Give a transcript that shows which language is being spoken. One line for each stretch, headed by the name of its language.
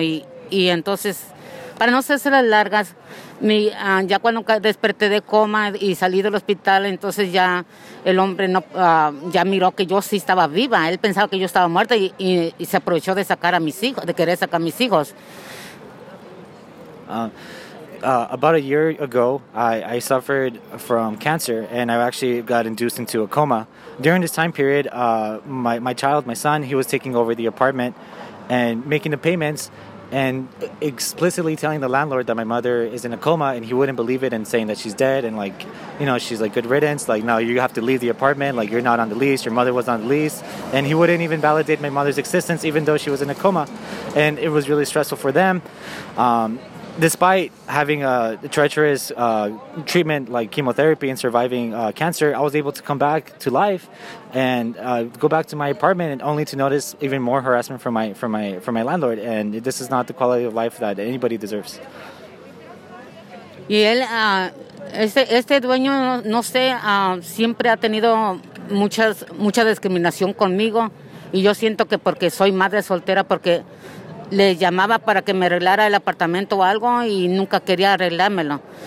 Spanish: Y entonces, para no hacerse las largas, ya cuando desperté de coma y salí del hospital, entonces ya el hombre ya miró que yo sí estaba viva. Él pensaba que yo estaba muerta y se aprovechó de sacar a mis hijos, de querer sacar a mis hijos.
English: About a year ago, I suffered from cancer and I actually got induced into a coma. During this time period, my child, my son, he was taking over the apartment and making the payments and explicitly telling the landlord that my mother is in a coma, and he wouldn't believe it and saying that she's dead and, like, you know, she's like good riddance, like, no, you have to leave the apartment, like, you're not on the lease, your mother was on the lease, and he wouldn't even validate my mother's existence even though she was in a coma. And it was really stressful for them. Despite having a treacherous treatment like chemotherapy and surviving cancer, I was able to come back to life and go back to my apartment, and only to notice even more harassment from my landlord. And this is not the quality of life that anybody deserves.
Spanish: Y él, este dueño, no sé, siempre ha tenido mucha discriminación conmigo, y yo siento que porque soy madre soltera, porque le llamaba para que me arreglara el apartamento o algo y nunca quería arreglármelo.